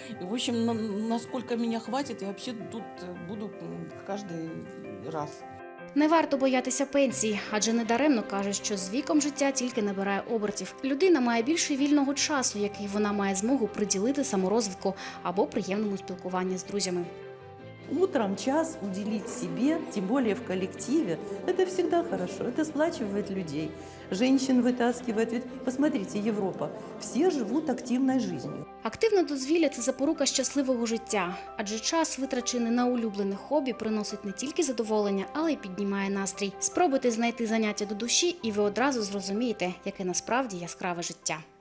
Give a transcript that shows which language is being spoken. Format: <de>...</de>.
<uk>І,</uk> <ru>в общем,</ru> <uk>наскільки мене хватить, я взагалі тут буду кожен раз. Не варто боятися пенсії, адже недаремно кажуть, що з віком життя тільки набирає обертів. Людина має більше вільного часу, який вона має змогу приділити саморозвитку або приємному спілкуванню з друзями.</uk> <ru>Утром час уделить себе, тем более в коллективе, это всегда хорошо, это сплачивает людей. Женщин вытаскивает, ведь посмотрите, Европа, все живут активной жизнью.</ru> <uk>Активне дозвілля – це запорука щасливого життя. Адже час, витрачений на улюблене хобі, приносить не тільки задоволення, але й піднімає настрій. Спробуйте знайти заняття до душі, і ви одразу зрозумієте, яке насправді яскраве життя.</uk>